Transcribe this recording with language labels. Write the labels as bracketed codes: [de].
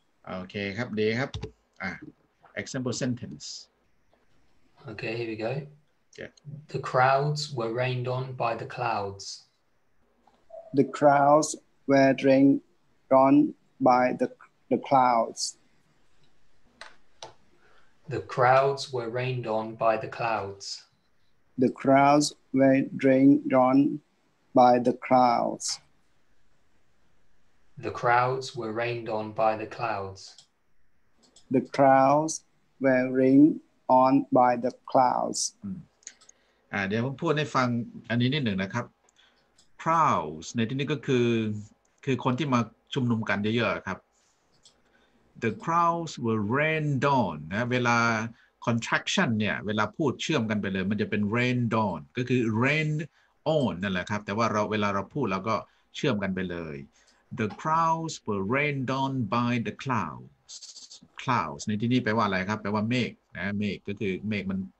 [th] Okay, ครับดีครับ [en] example sentence. Okay, here we go. Yeah. The crowds were rained on by the clouds. The crowds were rained on by the clouds. The crowds were rained on by the clouds. The crowds were rained on by the clouds. The crowds were rained on by the clouds. The crowds were rained on by the clouds. [th] เดี๋ยวผมพูดให้ฟังอันนี้นิดหนึ่งนะครับ Crowds ในที่นี้ก็คือคนที่มาชุมนุมกันเยอะๆครับ [en] The crowds were rained on [th] นะเวลา contraction เนี่ยเวลาพูดเชื่อมกันไปเลยมันจะเป็น rained on ก็คือ rained on นั่นแหละครับแต่ว่าเวลาเราพูดเราก็เชื่อมกันไปเลย [en] The crowds were rained on by the clouds [th] ในที่นี้แปลว่าอะไรครับแปลว่าเมฆนะเมฆก็คือเมฆม